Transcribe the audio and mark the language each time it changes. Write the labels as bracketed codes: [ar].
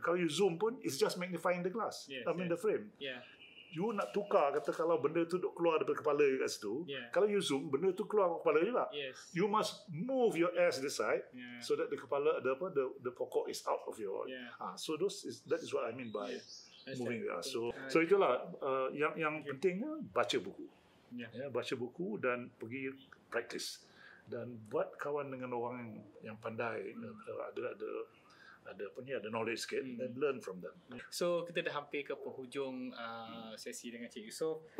[ms] Kalau [en] you zoom pun, it's just magnifying the glass. The frame. [ms] You nak tukar, kata kalau benda tu duduk keluar daripada kepala kat situ, kalau you zoom, benda tu keluar daripada kepala juga. [en] You must move your ass this side, so that the kepala, the pokok is out of your so that is what I mean by moving there. [ms] So itulah yang pentingnya, baca buku. Baca buku dan pergi practice dan buat kawan dengan orang yang pandai, ada apa ni, ada knowledge sikit, [en] and learn from them. [ms] So kita dah hampir ke penghujung sesi dengan Cik Yusof.